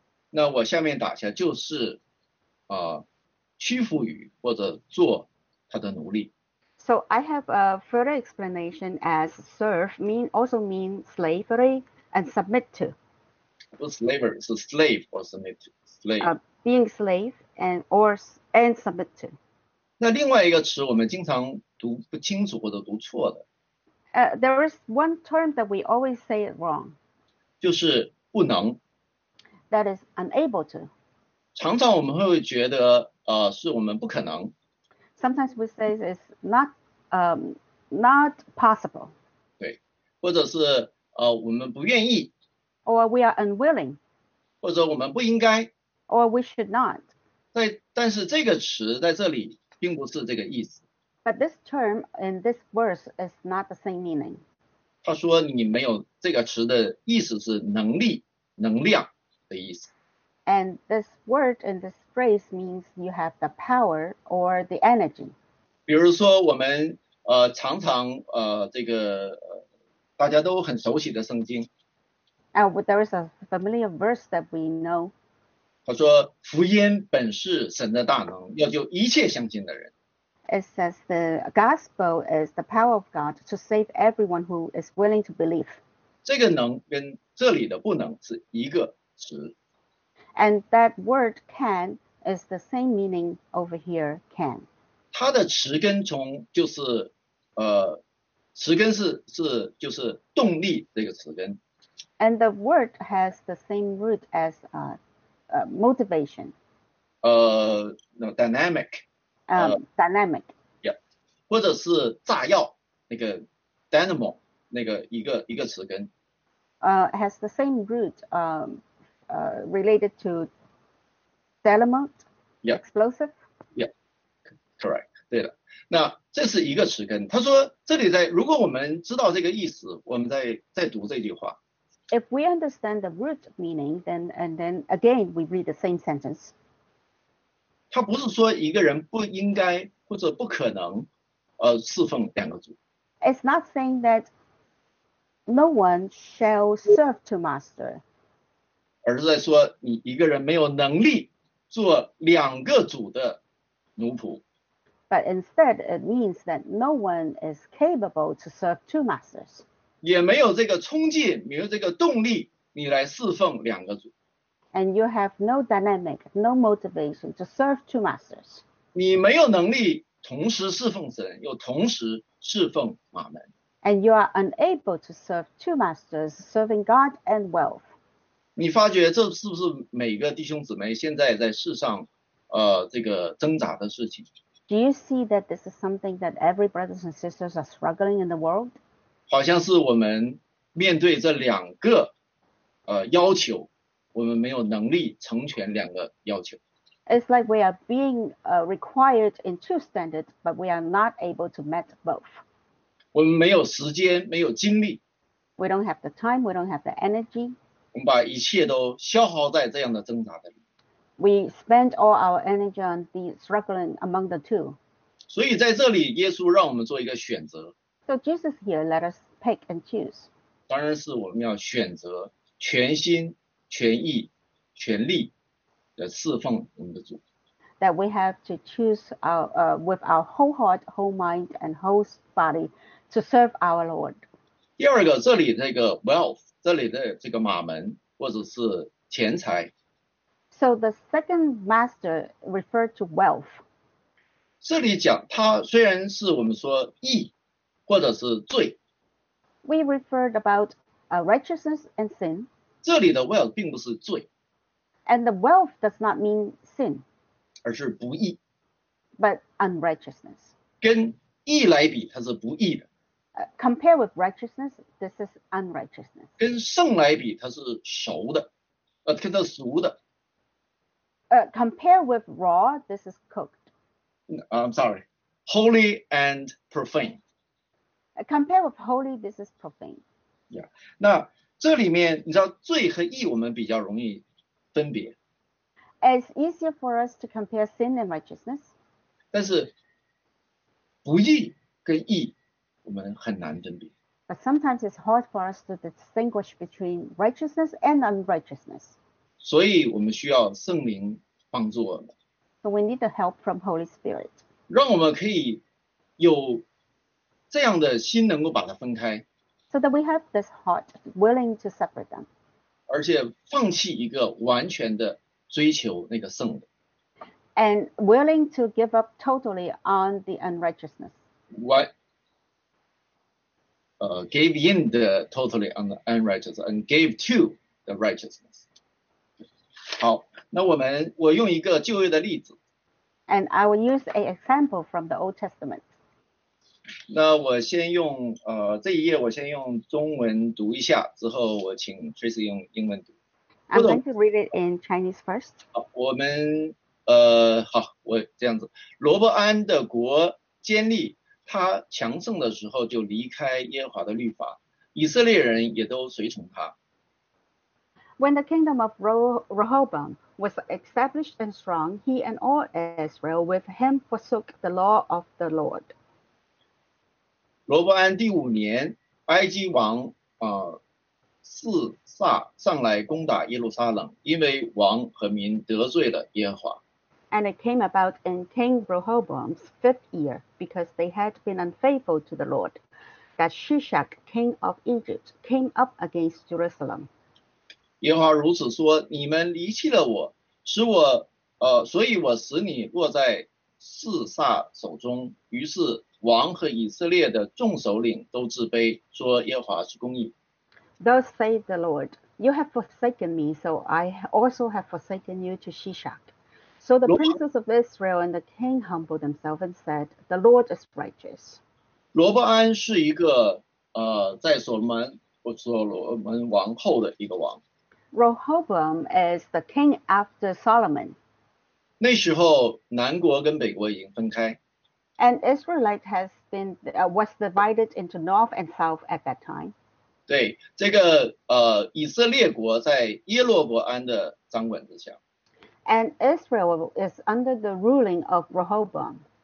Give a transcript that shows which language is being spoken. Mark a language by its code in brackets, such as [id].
[zh] 那我下面打下就是，屈服于或者做他的奴隶。 [en] So I have a further explanation as serve mean also means slavery and submit to. [zh] 不是 slavery，是 slave 或 submit，slave。 [en] Being slave and submit to. [zh] 那另外一个词，我们经常读不清楚或者读错的， [en] There is one term that we always say it wrong. [zh] 就是不能。 [en] That is unable to. [zh] 常常我们会觉得，是我们不可能。 [en] Sometimes we say it's not possible. [zh] 或者是我们不愿意。 [en] Or we are unwilling. [zh] 或者我们不应该， [en] Or we should not. [zh] 但是这个词在这里并不是这个意思。 [en] But this term in this verse is not the same meaning. [zh] 他说你没有这个词的意思是能力、能量的意思。 [en] And this word in this phrase means you have the power or the energy. [zh] 比如说我们常常这个大家都很熟悉的圣经。 [en] There is a familiar verse that we know. [zh] 他说：“福音本是神的大能，要救一切相信的人。 [en] It says the gospel is the power of God to save everyone who is willing to believe. [zh] ”这个能跟这里的不能是一个词。 [en] And that word can is the same meaning over here, can. [zh] 它的词根从就是词根是就是动力这个词根。 [en] And the word has the same root as motivation. No, dynamic， Dynamic. [zh] yeah，或者是炸药那个 dynamo 那个一个词根。 [en] Has the same root related to dynamite, explosive? [zh] correct，对的。那这是一个词根。他说这里在，如果我们知道这个意思，我们再读这句话。 [en] If we understand the root meaning, then and then again we read the same sentence. [zh] 他不是说一个人不应该或者不可能，侍奉两个主。 [en] It's not saying that no one shall serve two master. [zh] 而是在说你一个人没有能力做两个主的奴仆。 [en] But instead, it means that no one is capable to serve two masters. [zh] 也没有这个冲劲，没有这个动力，你来侍奉两个主。 [en] And you have no dynamic, no motivation to serve two masters. [zh] 你没有能力同时侍奉神，又同时侍奉马门。 [en] And you are unable to serve two masters, serving God and wealth. [zh] 你发觉这是不是每个弟兄姊妹现在在世上，这个挣扎的事情？ [en] Do you see that this is something that every brothers and sisters are struggling in the world? [zh] 好像是我们面对这两个，要求。我们没有能力成全两个要求。 [en] It's like we are being required in two standards, but we are not able to meet both. [zh] 我们没有时间，没有精力。 [en] We don't have the time, we don't have the energy. [zh] 我们把一切都消耗在这样的挣扎的里。 [en] We spend all our energy on the struggling among the two. [zh] 所以在这里，耶稣让我们做一个选择。 [en] So Jesus here let us pick and choose. [zh] 当然是我们要选择全心全意全力的侍奉我们的主。 [en] That we have to choose our, with our whole heart, whole mind, and whole body to serve our Lord. [zh] 第二个，这里这个 wealth, 这里的这个马门或者是钱财。 [en] So the second master referred to wealth. [zh] 这里讲他虽然是我们说义或者是罪。 [en] We referred about righteousness and sin. [zh] 这里的 wealth 并不是罪， [en] and the wealth does not mean sin， [zh] 而是不义， [en] but unrighteousness。 [zh] 跟义来比，它是不义的。 [en] Compare with righteousness, this is unrighteousness。 [zh] 跟圣来比，它是熟的，跟它熟的。 [en] Compare with raw, this is cooked。 I'm sorry, holy and profane。 Compare with holy, this is profane。 Yeah， 那。 [zh] 这里面你知道罪和义我们比较容易分别。 [en] It's easier for us to compare sin and righteousness. [zh] 但是不义跟义我们很难分别。 [en] But sometimes it's hard for us to distinguish between righteousness and unrighteousness. [zh] 所以我们需要圣灵帮助我们。 [en] So we need the help from Holy Spirit. [zh] 让我们可以有这样的心能够把它分开。 [en] So that we have this heart willing to separate them. [zh] 而且放弃一个完全的追求那个圣的。 [en] And willing to give up totally on the unrighteousness. What? Gave in the totally on the unrighteousness and gave to the righteousness. [zh] 好，那我用一个旧约的例子。 [en] And I will use an example from the Old Testament. [zh] 那我先用这一页我先用中文读一下，之后我请 Tracy 用英文读。 [en] I'm going to read it in Chinese first. [zh] 好，我们好，我这样子。罗伯安的国坚立，他强盛的时候就离开耶和华的律法，以色列人也都随从他。 [en] When the kingdom of Rehoboam was established and strong, he and all Israel with him forsook the law of the Lord. [zh] 罗伯安第五年，埃及王示撒上来攻打耶路撒冷，因为王和民得罪了耶和华。 [en] And it came about in King Rehoboam's fifth year, because they had been unfaithful to the Lord, that Shishak, king of Egypt, came up against Jerusalem. [zh] 耶和华如此说：你们离弃了我，使我所以我使你落在示撒手中。于是王和以色列的众首领都自卑，说耶和华是公义。 [en] Thus saith the Lord, You have forsaken me, so I also have forsaken you to Shishak. So the princes of Israel and the king humbled themselves and said, The Lord is righteous. [zh] 罗伯安是一个在所罗门王后的一个王。 [en] Rehoboam is the king after Solomon. [zh] 那时候南国跟北国已经分开。 [en] And Israelite has been, was divided into north and south at that time. [zh] 对，这个以色列国在耶罗伯安的掌管之下。 [en] And Israel is under the ruling of Rehoboam.